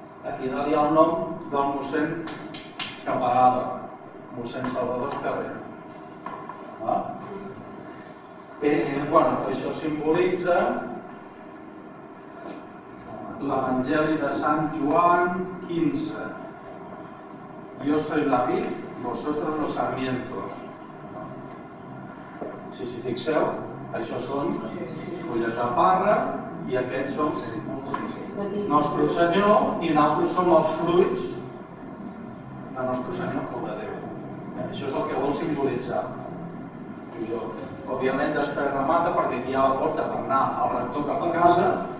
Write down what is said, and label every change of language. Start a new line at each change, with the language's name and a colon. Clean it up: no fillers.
Catalan: Aquí dalt hi ha el nom del mossèn que pagava, mossèn Salvador Escarrer. Bueno, això simbolitza l'Evangeli de Sant Joan 15.
Spanish: Jo soy la vid, vosotros los sarmientos.
Catalan: Si s'hi fixeu, això són fulles de parra i aquests són nostre Senyor i nosaltres som els fruits de nostre Senyor o de Déu. Això és el que vol simbolitzar Jujol. Òbviament després remata perquè aquí hi ha la porta per anar al rector cap a casa.